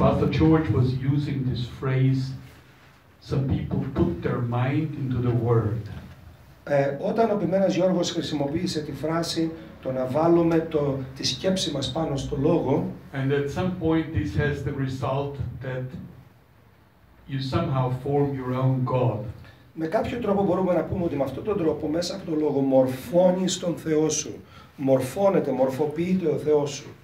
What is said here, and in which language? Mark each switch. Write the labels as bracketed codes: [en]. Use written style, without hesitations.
[en] George was using this phrase, some people put their mind into the word. [el] Όταν ο ποιμένας Γιώργος χρησιμοποίησε τη φράση το να βάλουμε τη σκέψη μας πάνω στο λόγο. [en] And at some point this has the result that you somehow form your own God. [el] Με κάποιο τρόπο μπορούμε να πούμε ότι με αυτόν τον τρόπο μέσα από το λόγο μορφώνεις τον Θεό σου. Μορφώνεται, μορφοποιείται ο Θεός σου.